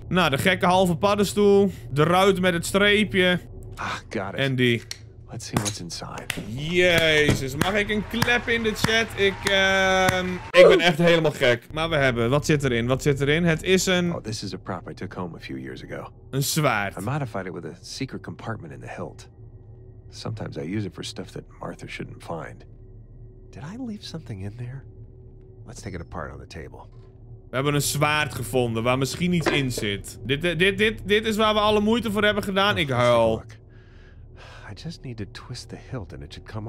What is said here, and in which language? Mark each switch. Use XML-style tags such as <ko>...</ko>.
<nl>Nou, de gekke halve paddenstoel. De ruit met het streepje.</nl> <en>Ah, got it.</en> <nl>En die...</nl> <en>Let's see what's inside.</en> <nl>Jezus, mag ik een klep in de chat? Ik ben echt helemaal gek. Maar we hebben, wat zit erin? Het is een...</nl> <en>Oh, this is a prop I took home a few years ago.</en> <nl>Een zwaard.</nl> <en>I modified it with a secret compartment in the hilt. Sometimes I use it for stuff that Martha shouldn't find. Did I leave something in there? Let's take it apart on the table.</en> <nl>We hebben een zwaard gevonden waar misschien iets in zit. Dit is waar we alle moeite voor hebben gedaan. Ik huil.</nl> <en>I just need to twist the hilt and it should come</en>